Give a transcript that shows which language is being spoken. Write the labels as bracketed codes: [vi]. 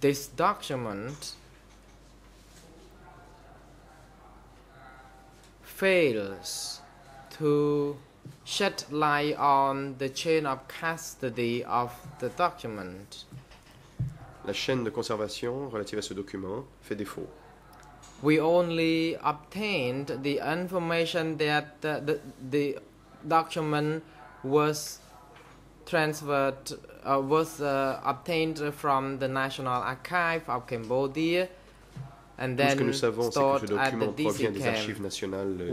[en] This document fails to shed light on the chain of custody of the document. [fr] La chaîne de conservation relative à ce document fait défaut. [en] We only obtained the information that the document was transferred, was obtained from the National Archive of Cambodia, and then stored at the DC camp.